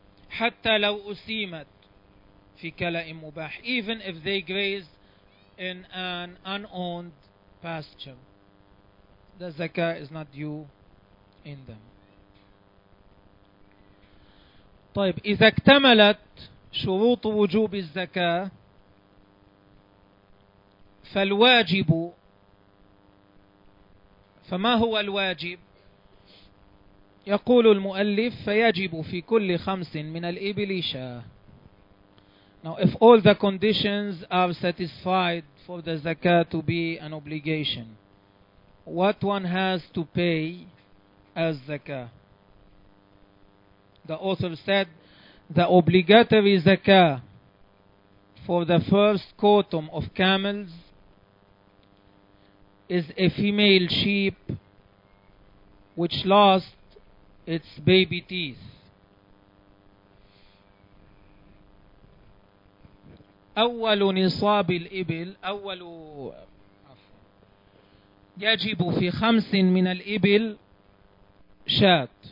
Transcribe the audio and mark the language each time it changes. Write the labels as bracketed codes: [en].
[ar] حتى لو أسيمت في كلاء مباح, [en] even if they graze in an unowned pasture, the zakah is not due in them. [ar] طيب إذا اكتملت شروط وجوب الزكاة فالواجب, فما هو الواجب؟ يقول المؤلف فيجب في كل خمس من الإبل شاة. [en] Now if all the conditions are satisfied for the zakah to be an obligation, what one has to pay as zakah? The author said, the obligatory zakah for the first quotum of camels is a female sheep which lost its baby teeth. [ar] أول نصاب الإبل, أول يجب في خمس من الإبل شاة.